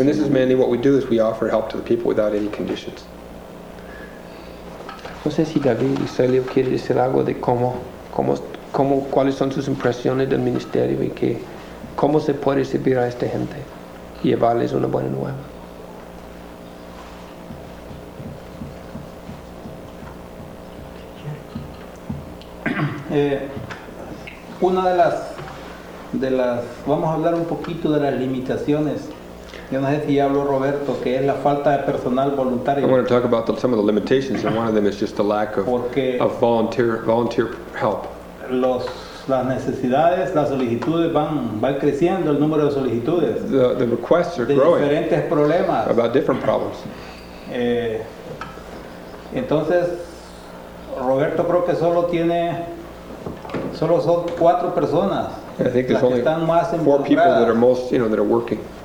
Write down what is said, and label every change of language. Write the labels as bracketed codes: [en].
[en] And this is mainly what we do, is we offer help to the people without any conditions. [es] No sé si David y Celio quiere decir algo de cómo cuáles son sus impresiones del ministerio y que cómo se puede servir a esta gente y llevarles una buena nueva. Una de las vamos a hablar un poquito de las limitaciones. Yo no sé si ya habló Roberto, que es la falta de personal voluntario. [en] I want to talk about some of the limitations, and one of them is just the lack of volunteer help. [es] Las necesidades, las solicitudes van creciendo, el número de solicitudes. [en] The requests are [es] de [en] growing. [es] De diferentes problemas. [en] About different problems. [es] Entonces, Roberto creo que solo tiene, solo son cuatro personas. [en] I think there's only four people that are most, you know, that are working.